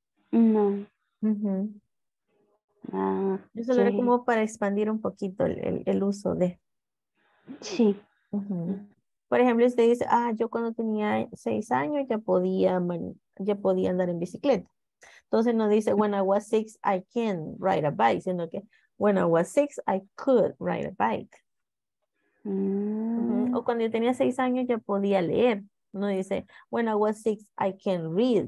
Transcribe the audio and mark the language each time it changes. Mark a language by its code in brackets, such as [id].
[es] No. Yo solo era como para expandir un poquito el uso de. Sí. Por ejemplo, usted dice, yo cuando tenía 6 años ya podía andar en bicicleta. Entonces no dice, [en] when I was 6, I can ride a bike, [es] sino que, [en] when I was 6, I could ride a bike. [es] O cuando yo tenía 6 años ya podía leer. No dice, [en] when I was 6 I can read.